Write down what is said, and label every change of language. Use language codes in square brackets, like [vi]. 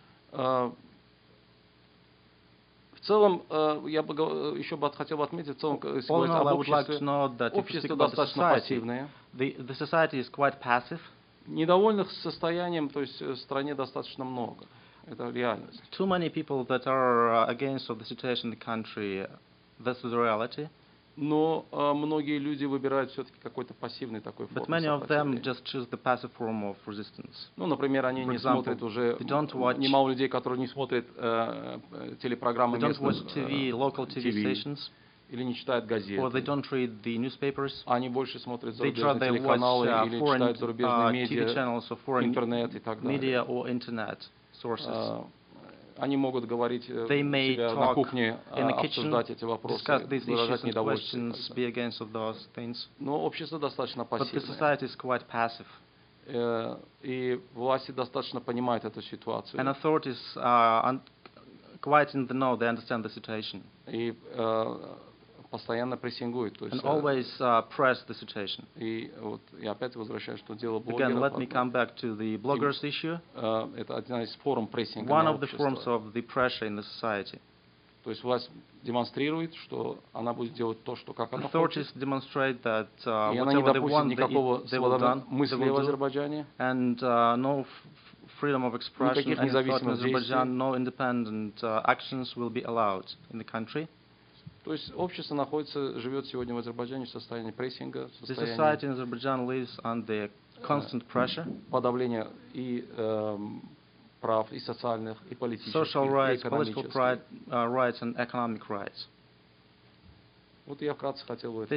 [ru] В целом, я бы еще хотел бы отметить, в целом, если говорить об обществе, достаточно пассивное. [en] The society is quite passive. [ru] Недовольных состоянием, то есть, в стране достаточно много. Это реальность. [en] Too many people that are against of the situation in the country, this is reality. [ru] Но многие люди выбирают все-таки какой-то пассивный такой форм. [en] But many of them just choose the passive form of resistance. [ru] Ну, например, они [en] example, [ru] не смотрят уже немало людей, которые не смотрят телепрограммы местных [en] TV stations. [ru] Или не читают газеты. [en] Or they don't read the newspapers. [ru] Они больше смотрят зарубежные телеканалы или читают зарубежные медиа, [en] channels, [ru] интернет и так далее. [en] Media or internet sources. [ru] Они могут говорить у себя на кухне, обсуждать эти вопросы, выражать недовольство. Но общество достаточно пассивное. И власти достаточно понимают эту ситуацию. [en] And authorities are quite in the know, they understand the situation. [ru] И постоянно прессингуют. [en] And always press the situation. [ru] И вот я опять возвращаюсь, что дело блогеров. [en] Again, let me come back to the bloggers issue. [ru] Это одна из форм прессинга. [en] One of the forms of the pressure in the society. [ru] То есть власть демонстрирует, что она будет делать то, что как она хочет. [en] Authorities demonstrate that [ru] мысли в Азербайджане. [en] And no freedom of expression. [ru] Никаких независимых действий. [en] In Azerbaijan, no independent actions will be allowed in the country. [ru] То есть общество находится, живет сегодня в Азербайджане в состоянии прессинга, в состоянии [en] the society in Azerbaijan lives under constant pressure, [ru] подавления и прав, и социальных, и политических, [en] social rights, [ru] и экономических. [en] Political rights and economic rights. [ru] Вот я вкратце хотел бы это